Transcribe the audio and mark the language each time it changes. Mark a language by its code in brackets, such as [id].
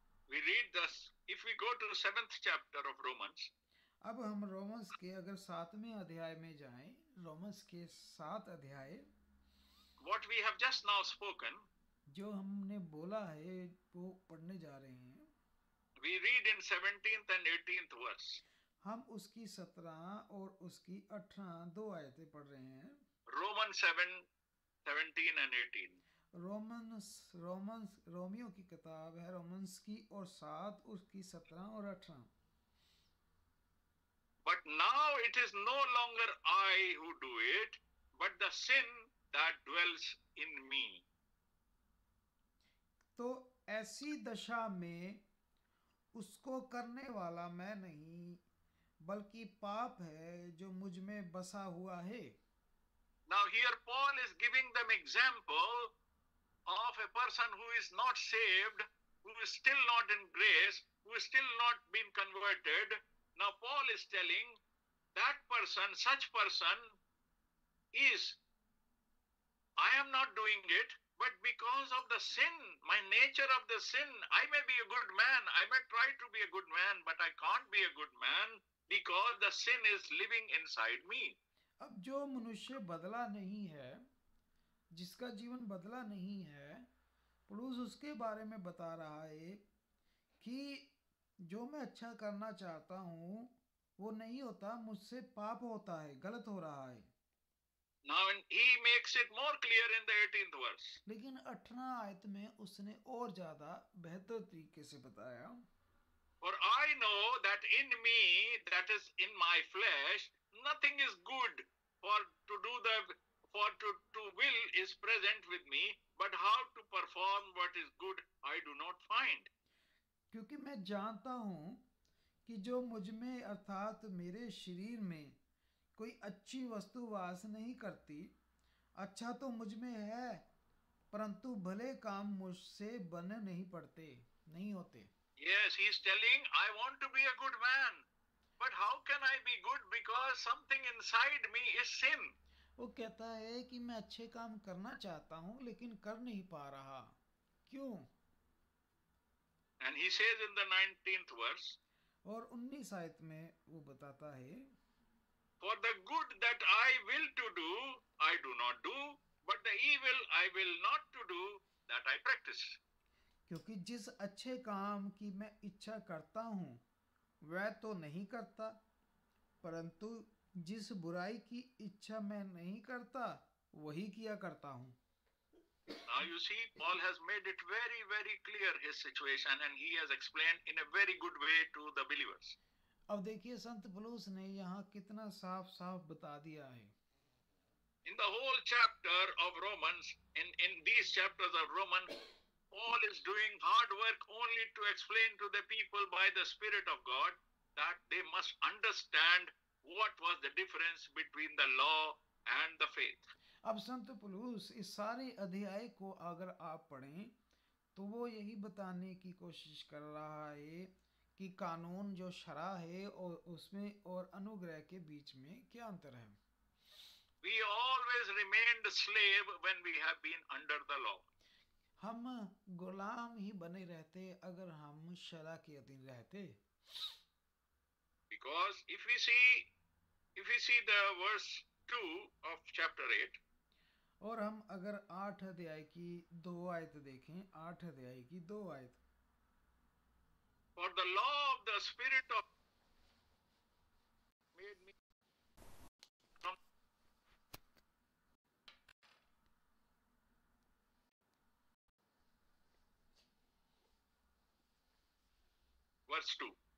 [en] We read this. If we go to the 7th chapter of Romans. [hi] अब हम Romans के अगर सातवें अध्याय में जाएं, रोमन्स के सात अध्याय. [en] What we have just now spoken. [hi] जो हमने बोला है वो पढ़ने जा रहे हैं. [en] We read in 17th and 18th verse. [hi] हम उसकी 17 और उसकी 18 दो आयतें पढ़ रहे हैं. [en] Romans 7:17 and 18. [hi] रोमन्स रोमियो की किताब है रोमन्स की और 7 उसकी 17 और 18. [en] But now it is no longer I who do it, but the sin that dwells in me. [hi] तो ऐसी दशा में उसको करने वाला मैं नहीं बल्कि पाप है जो मुझ में बसा हुआ है. [en] Now here Paul is giving them example of a person who is not saved, who is still not in grace, who is still not been converted. Now Paul is telling that person, such person is, I am not doing it, but because of the sin, my nature of the sin, I may be a good man, I may try to be a good man, but I can't be a good man because the sin is living inside me. [hi] अब जो मनुष्य बदला नहीं है, जिसका जीवन बदला नहीं है, पुरुष उसके बारे में बता रहा है कि जो मैं अच्छा करना चाहता हूँ वो नहीं होता मुझसे पाप होता है गलत हो रहा है. [en] Now he makes it more clear in the 18th verse. [hi] लेकिन 18 आयत में उसने और ज्यादा बेहतर तरीके से बताया. [en] For I know that in me, that is in my flesh, nothing is good for to do the for to will is present with me, but how to perform what is good I do not find. [hi] क्योंकि मैं जानता हूँ कि जो मुझ में अर्थात मेरे शरीर में कोई अच्छी वस्तु वास नहीं करती, अच्छा तो मुझ में है परंतु भले काम मुझसे बने नहीं पड़ते, नहीं होते। [en] Yes, he is telling, I want to be a good man, but how can I be good because something inside me is sin. [hi] वो कहता है कि मैं अच्छे काम करना चाहता हूँ लेकिन कर नहीं पा रहा, क्यों? [en] And he says in the 19th verse, [hi] और 19 आयत में वो बताता है, [en] For the good that I will to do, I do not do, but the evil I will not to do, that I practice. [hi] क्योंकि जिस अच्छे काम की मैं इच्छा करता हूँ, वह तो नहीं करता, परंतु जिस बुराई की इच्छा मैं नहीं करता, वही किया करता हूँ। [en] Now you see, Paul has made it very, very clear his situation, and he has explained in a very good way to the believers. [hi] अब देखिए संत पौलुस ने यहाँ कितना साफ साफ बता दिया है। [en] In the whole chapter of Romans, in these chapters of Romans, Paul is doing hard work only to explain to the people by the Spirit of God that they must understand what was the difference between the law and the faith. [hi] अब संत पौलुस इस सारे अध्याय को अगर आप पढ़ें तो वो यही बताने की कोशिश कर रहा है कि कानून जो शरा है और उसमें और अनुग्रह के बीच में क्या अंतर है। [en] We always remained slave when we have been under the law. [hi] हम गुलाम ही बने रहते अगर हम शरा के अधीन रहते। [en] Because if we see the verse 2 of chapter 8, [hi] और हम अगर 8 अध्याय की 2 आयत देखें, 8 अध्याय की 2 आयत, [en] For the law of the spirit of made me from verse 2